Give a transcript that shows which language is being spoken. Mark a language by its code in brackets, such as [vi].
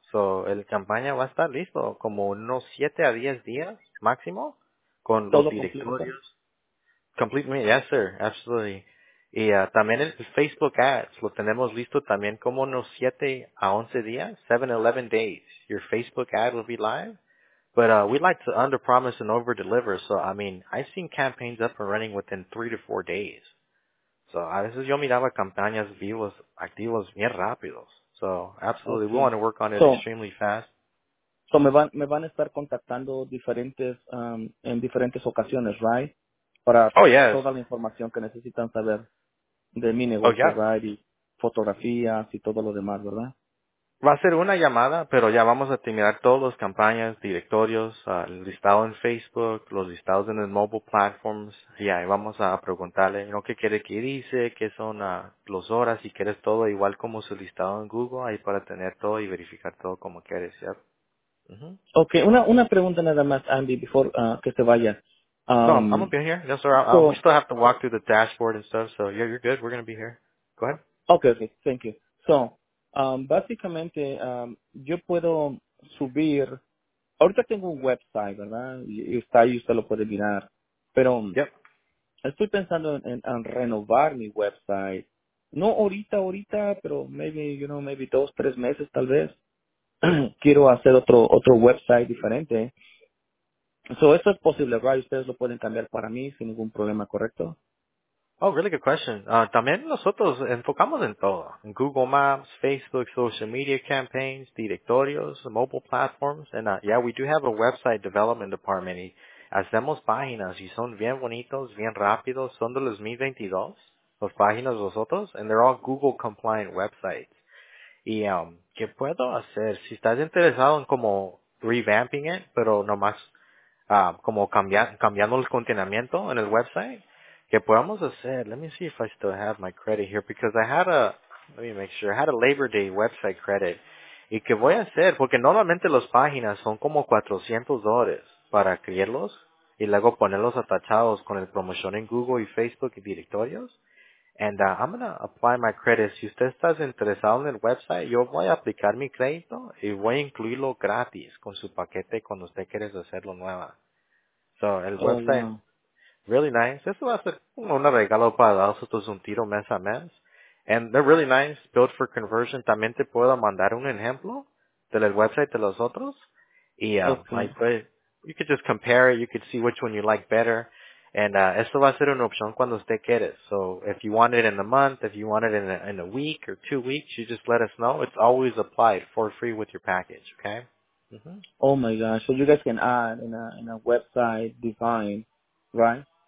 [es] So, el campaña va a estar listo como unos 7 a 10 días máximo con los directorios. [en] Complete, yes sir, absolutely. [es] Y también el Facebook Ads lo tenemos listo también como unos 7 a 11 días, [en] 7-11 days. Your Facebook Ad will be live. But we like to under-promise and over-deliver. So, I mean, I've seen campaigns up and running within 3 to 4 days. [es] So, a veces yo miraba campañas vivos, activos, bien rápidos. [en] So, absolutely, okay. We want to work on it extremely fast. [es] So, me van a estar contactando diferentes en diferentes ocasiones, right? Para toda la información que necesitan saber de mi negocio, ¿verdad? Y fotografías y todo lo demás, ¿verdad? Va a ser una llamada, pero ya vamos a terminar todas las campañas, directorios, el listado en Facebook, los listados en el mobile platforms, y ahí vamos a preguntarle, ¿no? ¿Qué quiere que dice? ¿Qué son las horas? Si quieres todo igual como su listado en Google, ahí para tener todo y verificar todo como quieres, ¿cierto? Uh-huh. Okay, una pregunta nada más, Andy, before que te vayas. [en] No, I'm gonna be here. Yes, sir. So, we still have to walk through the dashboard and stuff. So yeah, you're good. We're gonna be here. Go ahead. [es] Okay. [en] Thank you. [es] So, básicamente, yo puedo subir. Ahorita tengo un website, ¿verdad? Y está ahí, usted lo puede mirar. Pero estoy pensando en renovar mi website. No ahorita, pero maybe 2-3 meses, tal vez. Quiero hacer otro website diferente. So, esto es posible, ¿verdad? Ustedes lo pueden cambiar para mí sin ningún problema, ¿correcto? [en] Oh, really good question. [es] También nosotros enfocamos en todo. En Google Maps, Facebook, social media campaigns, directorios, mobile platforms. [en] And, we do have a website development department. [es] Y hacemos páginas y son bien bonitos, bien rápidos. Son de los 2022, las páginas de nosotros. [en] And they're all Google compliant websites. [es] Y, ¿qué puedo hacer? Si estás interesado en como revamping it, pero nomás como cambiando el contenimiento en el website, que podemos hacer, [en] let me see if I still have my credit here, because I had a, let me make sure, I had a Labor Day website credit, [es] y que voy a hacer, porque normalmente las páginas son como $400 para crearlos, y luego ponerlos atachados con el promoción en Google y Facebook y directorios, [en] and I'm going to apply my credit, [es] si usted está interesado en el website, yo voy a aplicar mi crédito, y voy a incluirlo gratis con su paquete cuando usted quiere hacerlo nueva. So, el website, [en] really nice. [es] Eso va a ser un regalo para darles. Esto es un tiro mes a mes. [en] And they're really nice, built for conversion. [es] También te puedo mandar un ejemplo del website de los otros. [en] Y you could just compare it. You could see which one you like better. And [es] esto va a ser una opción cuando usted quiere. [en] So, if you want it in a month, if you want it in a week or 2 weeks, you just let us know. It's always applied for free with your package, okay? Mm-hmm. Oh my gosh! So you guys can add in a website design, right?